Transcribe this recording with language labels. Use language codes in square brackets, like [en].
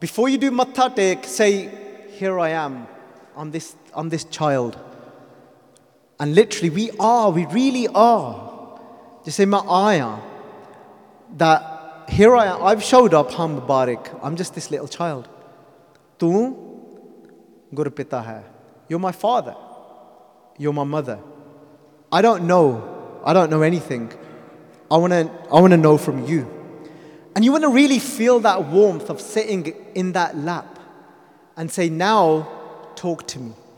[en] Before you do Matha Tek, say, here I am, I'm this child. And literally, we really are. Just say, Ma'aya, that here I am, I've showed up, Ham Mubarak, I'm just this little child. [pa] ਤੂ ਗੁਰੂ ਪਿਤਾ ਹੈ। [en] You're my father. You're my mother. I don't know anything. I wanna know from you. And you want to really feel that warmth of sitting in that lap and say, now, talk to me.